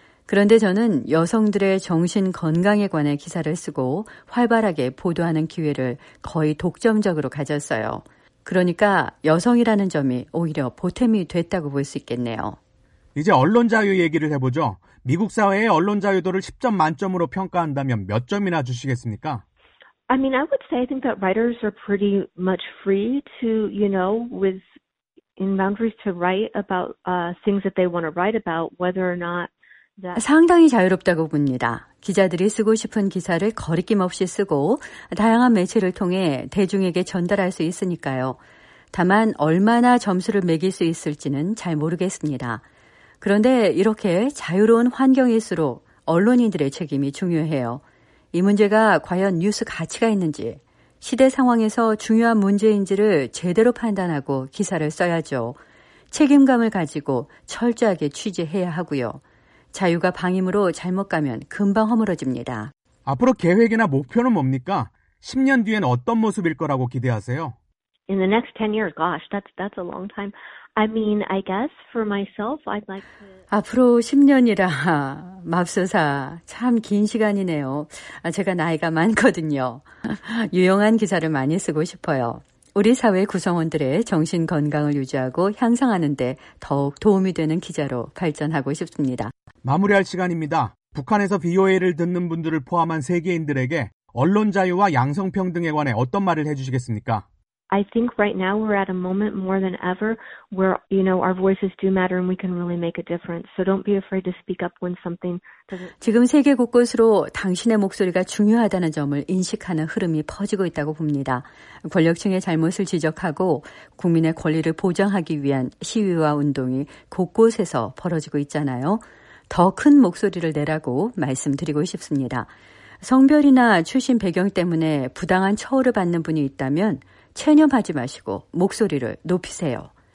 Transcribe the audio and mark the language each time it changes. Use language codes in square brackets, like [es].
[ko] 그런데 저는 여성들의 정신 건강에 관해 기사를 쓰고 활발하게 보도하는 기회를 거의 독점적으로 가졌어요. 그러니까 여성이라는 점이 오히려 보탬이 됐다고 볼 수 있겠네요. 이제 언론 자유 얘기를 해보죠. 미국 사회의 언론 자유도를 10점 만점으로 평가한다면 몇 점이나 주시겠습니까? [en] I mean, I would say I think that writers are pretty much free to, you know, within boundaries to write about things that they want to write about, whether or not [ko] 상당히 자유롭다고 봅니다. 기자들이 쓰고 싶은 기사를 거리낌 없이 쓰고 다양한 매체를 통해 대중에게 전달할 수 있으니까요. 다만 얼마나 점수를 매길 수 있을지는 잘 모르겠습니다. 그런데 이렇게 자유로운 환경일수록 언론인들의 책임이 중요해요. 이 문제가 과연 뉴스 가치가 있는지, 시대 상황에서 중요한 문제인지를 제대로 판단하고 기사를 써야죠. 책임감을 가지고 철저하게 취재해야 하고요. 자유가 방임으로 잘못 가면 금방 허물어집니다. 앞으로 계획이나 목표는 뭡니까? 10년 뒤엔 어떤 모습일 거라고 기대하세요? [en] In the next 10 years, gosh, that's a long time. I mean, I guess for myself, I'd like to... [ko] 앞으로 10년이라 맙소사 참 긴 시간이네요. 제가 나이가 많거든요. 유용한 기사를 많이 쓰고 싶어요. 우리 사회 구성원들의 정신 건강을 유지하고 향상하는 데 더욱 도움이 되는 기자로 발전하고 싶습니다. 마무리할 시간입니다. 북한에서 VOA를 듣는 분들을 포함한 세계인들에게 언론 자유와 양성평등에 관해 어떤 말을 해주시겠습니까? [en] I think right now we're at a moment more than ever where, you know, our voices do matter and we can really make a difference. So don't be afraid to speak up when something doesn't... [ko] 지금 세계 곳곳으로 당신의 목소리가 중요하다는 점을 인식하는 흐름이 퍼지고 있다고 봅니다. 권력층의 잘못을 지적하고 국민의 권리를 보장하기 위한 시위와 운동이 곳곳에서 벌어지고 있잖아요. 더 큰 목소리를 내라고 말씀드리고 싶습니다. 성별이나 출신 배경 때문에 부당한 처우를 받는 분이 있다면 체념하지 마시고 목소리를 높이세요.